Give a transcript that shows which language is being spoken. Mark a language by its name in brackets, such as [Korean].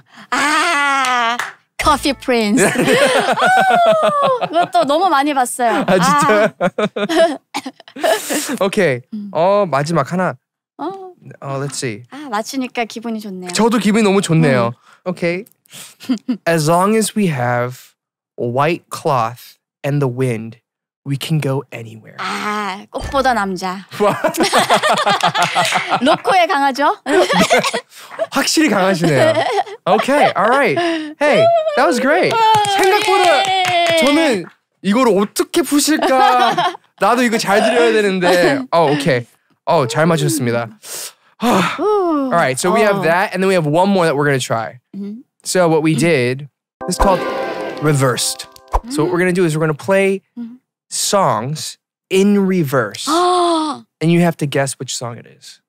[English] Ah, Coffee Prince. [Korean] 그것도 너무 많이 봤어요. 아, 진짜? 아. Okay. 마지막 하나. [English] Let's see. [Korean] 아, 맞추니까 기분이 좋네요. 저도 기분이 너무 좋네요. [English] Okay. As long as we have white cloth and the wind, we can go anywhere. [Korean] 아, 꽃보다 남자. 로코의 강하죠? 확실히 강하시네요. [English] Okay, all right. Hey, that was great. [Korean] 생각보다 저는 이걸 어떻게 푸실까? 나도 이거 잘 들려야 되는데. [English] Oh, okay. Oh, [Korean] 잘 맞췄습니다. [English] All right, so we have that, and then we have one more that we're going to try. So what we did, this is called reversed. So what we're going to do is we're going to play songs in reverse. And you have to guess which song it is.